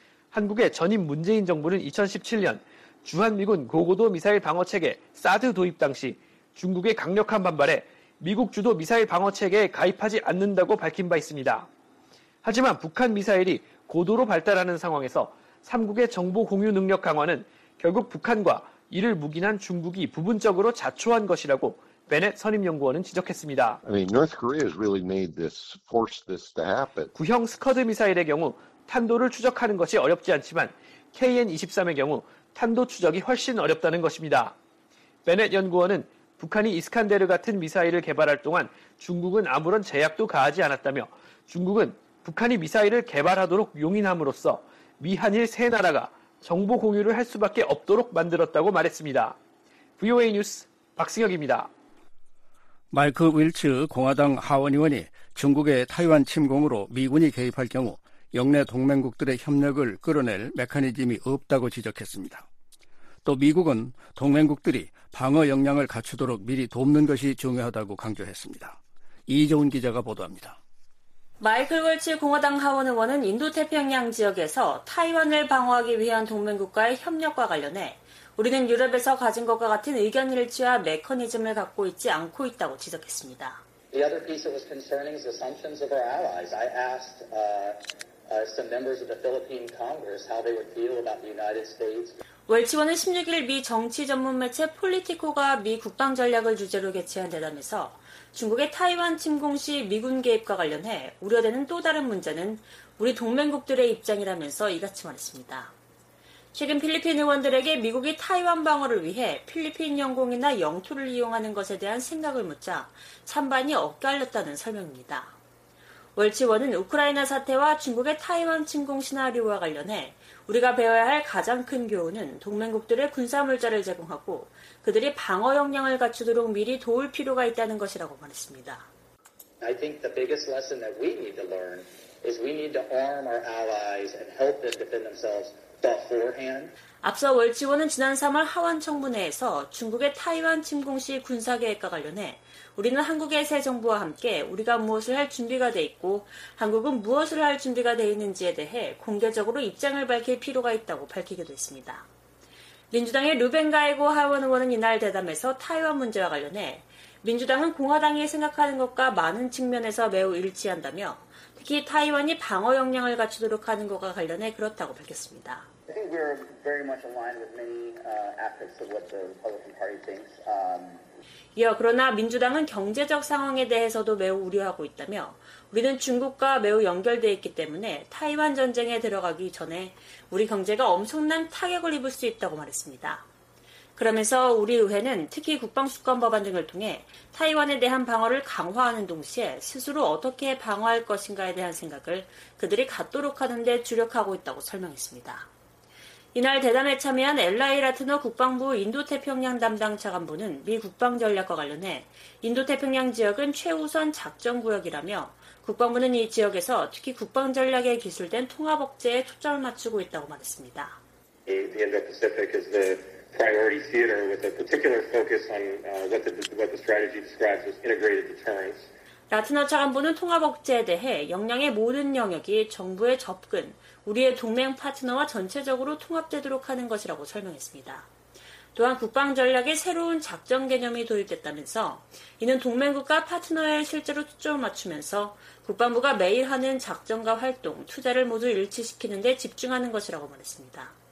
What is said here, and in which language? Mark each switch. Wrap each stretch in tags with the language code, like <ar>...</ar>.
<ko>한국의 전임 문재인 정부는 2017년 주한미군 고고도 미사일 방어체계 사드 도입 당시 중국의 강력한 반발에 미국 주도 미사일 방어체계에 가입하지 않는다고 밝힌 바 있습니다. 하지만 북한 미사일이 고도로 발달하는 상황에서 3국의 정보 공유 능력 강화는 결국 북한과 이를 묵인한 중국이 부분적으로 자초한 것이라고 베넷 선임연구원은 지적했습니다.</ko> <en>I mean, North Korea has really made this, forced this to happen.</en> <ko>구형 스커드 미사일의 경우 탄도를 추적하는 것이 어렵지 않지만 KN-23의 경우 탄도 추적이 훨씬 어렵다는 것입니다. 베넷 연구원은 북한이 이스칸데르 같은 미사일을 개발할 동안 중국은 아무런 제약도 가하지 않았다며 중국은 북한이 미사일을 개발하도록 용인함으로써 미한일 세 나라가 정보 공유를 할 수밖에 없도록 만들었다고 말했습니다. VOA 뉴스 박승혁입니다. 마이크 윌츠 공화당 하원의원이 중국의 타이완 침공으로 미군이 개입할 경우 영내 동맹국들의 협력을 끌어낼 메커니즘이 없다고 지적했습니다. 또 미국은 동맹국들이 방어 역량을 갖추도록 미리 돕는 것이 중요하다고 강조했습니다. 이재훈 기자가 보도합니다. 마이클 월츠 공화당 하원의원은 인도태평양 지역에서 타이완을 방어하기 위한 동맹국과의 협력과 관련해 우리는 유럽에서 가진 것과 같은 의견 일치와 메커니즘을 갖고 있지 않고 있다고 지적했습니다.</ko> <en>The other piece that was concerning is the sanctions of our allies. I asked some members of the Philippine Congress how they would feel about the United States.</en> <ko>월치원은 16일 미 정치 전문 매체 폴리티코가 미 국방 전략을 주제로 개최한 대담에서 중국의 타이완 침공 시 미군 개입과 관련해 우려되는 또 다른 문제는 우리 동맹국들의 입장이라면서 이같이 말했습니다. 최근 필리핀 의원들에게 미국이 타이완 방어를 위해 필리핀 영공이나 영토를 이용하는 것에 대한 생각을 묻자 찬반이 엇갈렸다는 설명입니다. 월치원은 우크라이나 사태와 중국의 타이완 침공 시나리오와 관련해 우리가 배워야 할 가장 큰 교훈은 동맹국들의 군사물자를 제공하고 그들이 방어 역량을 갖추도록 미리 도울 필요가 있다는 것이라고 말했습니다.</ko> <en>I think the biggest lesson that we need to learn is we need to arm our allies and help them defend themselves.</en> <ko>앞서 월치원은 지난 3월 하원청문회에서 중국의 타이완 침공 시 군사계획과 관련해 우리는 한국의 새 정부와 함께 우리가 무엇을 할 준비가 돼 있고 한국은 무엇을 할 준비가 돼 있는지에 대해 공개적으로 입장을 밝힐 필요가 있다고 밝히기도 했습니다. 민주당의 루벤가이고 하원 의원은 이날 대담에서 타이완 문제와 관련해 민주당은 공화당이 생각하는 것과 많은 측면에서 매우 일치한다며 특히 타이완이 방어 역량을 갖추도록 하는 것과 관련해 그렇다고 밝혔습니다.</ko> <en>I think we're very much aligned with many aspects of what the Republican Party thinks.</en> <ko>이어 그러나 민주당은 경제적 상황에 대해서도 매우 우려하고 있다며 우리는 중국과 매우 연결되어 있기 때문에 타이완 전쟁에 들어가기 전에 우리 경제가 엄청난 타격을 입을 수 있다고 말했습니다. 그러면서 우리 의회는 특히 국방수권법안 등을 통해 타이완에 대한 방어를 강화하는 동시에 스스로 어떻게 방어할 것인가에 대한 생각을 그들이 갖도록 하는 데 주력하고 있다고 설명했습니다. 이날 대담에 참여한 엘라이 라트너 국방부 인도태평양 담당 차관보는 미 국방전략과 관련해 인도태평양 지역은 최우선 작전구역이라며 국방부는 이 지역에서 특히 국방전략에 기술된 통합억제에 초점을 맞추고 있다고 말했습니다.</ko> <en>The Indo-Pacific is the priority theater with a particular focus on what the strategy describes as integrated deterrence.</en> <ko>라트너 차관보는 통합억제에 대해 역량의 모든 영역이 정부의 접근, 우리의 동맹 파트너와 전체적으로 통합되도록 하는 것이라고 설명했습니다. 또한 국방전략에 새로운 작전 개념이 도입됐다면서 이는 동맹국과 파트너에 실제로 초점을 맞추면서 국방부가 매일 하는 작전과 활동, 투자를 모두 일치시키는 데 집중하는 것이라고 말했습니다.</ko>